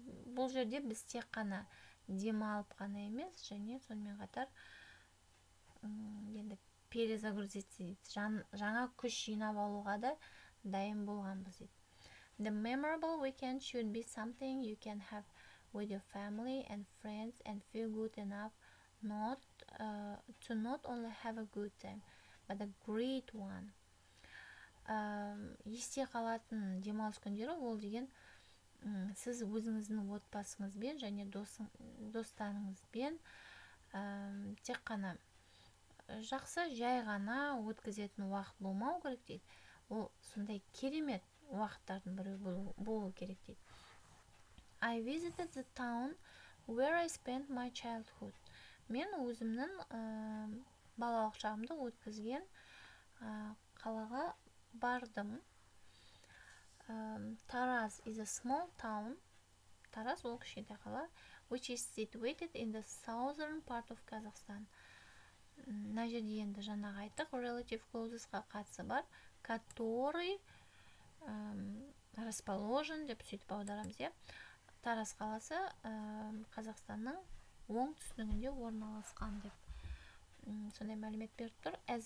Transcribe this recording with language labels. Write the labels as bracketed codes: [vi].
[kk] Бұл жерде біз тек қана демалып қана емес, және сонымен қатар енді перезагрузиться, жаңа күш жинап алуға да дайын болғанбыз дейді. [en] The memorable weekend should be something you can have with your family and friends and feel good enough not only have a good time, but a great one. [kk] Есте қалатын демалыс күндері ол деген сіз өзіңіздің отбасыңызбен және достарыңызбен тек қана жақсы жай ғана өткізетін уақыт болмау керек дейді. Ол сондай керемет уақыттардың бірі болу керек дейді. [en] I visited the town where I spent my childhood. [kk] Мен өзімнің балалық шағымды өткізген қалаға бардым. [en] Тараз is a small town. [kk] Тараз ол кішкентай қала, [en] which is situated in the southern part of Kazakhstan. [kk] Мына жерде енді жаңағы айттық, relative clauses-қа қатысы бар, [ru] который расположен [kk] деп сөйтіп аударамыз, иә. Тараз қаласы Қазақстанның оңтүстігінде орналасқан деп сондай мәлімет беріп тұр.